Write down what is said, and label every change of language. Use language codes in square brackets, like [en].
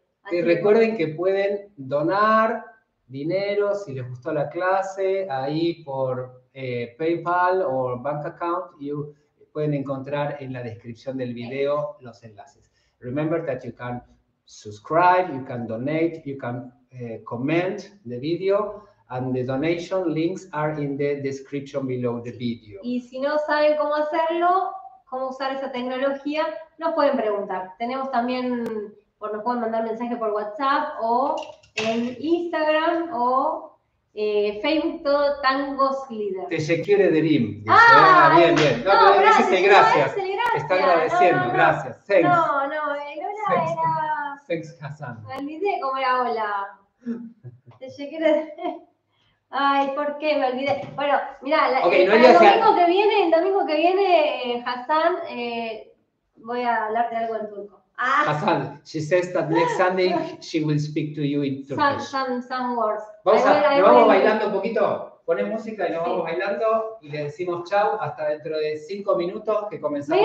[es] Y recuerden que pueden donar dinero si les gustó la clase ahí por PayPal o Bank Account. Y pueden encontrar en la descripción del video los enlaces. [en] Remember that you can subscribe, you can donate, you can comment the video and the donation links are in the description below the video. [es] Y si no saben cómo hacerlo, cómo usar esa tecnología, nos pueden preguntar. Tenemos también, nos pueden mandar mensaje por WhatsApp o en Instagram o Facebook, todo Tangos Leader. [tr] Te shekiru derim. Ah, [es] bien, bien. No, gracias. Dice, gracias. Está agradeciendo, gracias. [en] Thanks. [es] No, era. [en] Thanks, Hassan. [es] Me olvidé cómo era hola. Te llegué de... Ay, ¿por qué? Me olvidé. Bueno, mirá, el domingo que viene, Hassan, voy a hablarte algo en turco. Ah. [en] Hassan, she says that next Sunday she will speak to you in Turkish. Some words. [es] Vamos bailando un poquito. Pone música y vamos bailando y le decimos chau hasta dentro de 5 minutos que comenzamos.